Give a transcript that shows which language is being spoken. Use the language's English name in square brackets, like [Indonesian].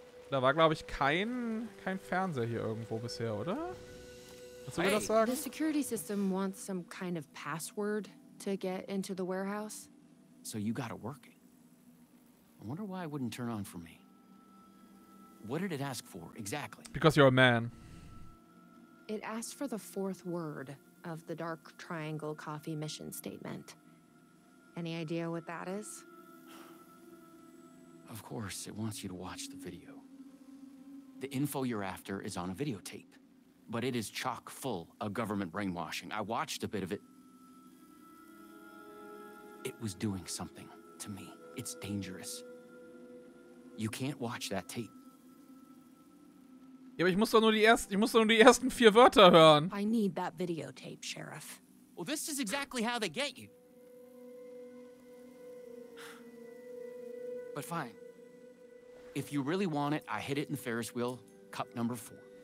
[German] Da war, glaube ich, kein Fernseher hier irgendwo bisher, oder? Was soll ich das sagen? [English] The security system wants some kind of password to get into the warehouse. So you got it working. I wonder why it wouldn't turn on for me. What did it ask for exactly? Because you're a man. It asked for the fourth word of the Dark Triangle Coffee mission statement. Any idea what that is? Of course, it wants you to watch the video. The info you're after is on a videotape, but it is chock full of government brainwashing. I watched a bit of it. It was doing something to me. It's dangerous. You can't watch that tape. [German] Ja, aber ich muss doch nur die ersten 4 Wörter hören. [English] I need that videotape, Sheriff. Well, this is exactly how they get you. But fine. If you really want it, I hid it in the Ferris wheel, cup number 4.